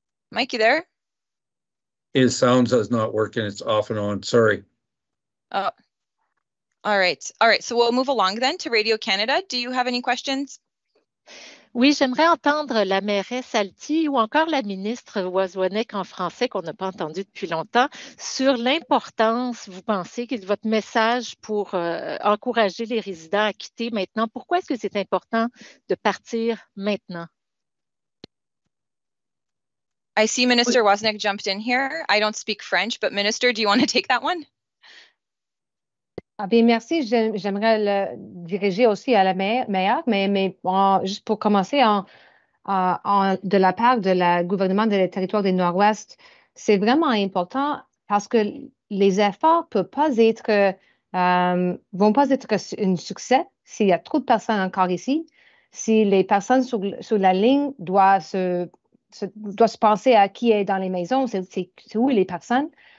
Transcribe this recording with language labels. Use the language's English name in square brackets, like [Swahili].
[English] Mike, you there? His sound is not working. It's off and on. Sorry. All right. So we'll move along then to Radio Canada. Do you have any questions? [French] Oui, j'aimerais entendre la mairesse Alty ou encore la ministre Wawzonek en français qu'on n'a pas entendu depuis longtemps sur l'importance, vous pensez, de votre message pour encourager les résidents à quitter maintenant. Pourquoi est-ce que c'est important de partir maintenant? [English] I see Minister Wawzonek jumped in here. I don't speak French, but Minister, do you want to take that one? [French] Ah bien, merci. J'aimerais le diriger aussi à la maire, juste pour commencer, de la part du gouvernement des territoires du Nord-Ouest, c'est vraiment important parce que les efforts peuvent pas être, vont pas être un succès s'il y a trop de personnes encore ici, si les personnes sur la ligne doivent se penser à qui est dans les maisons, c'est où les personnes.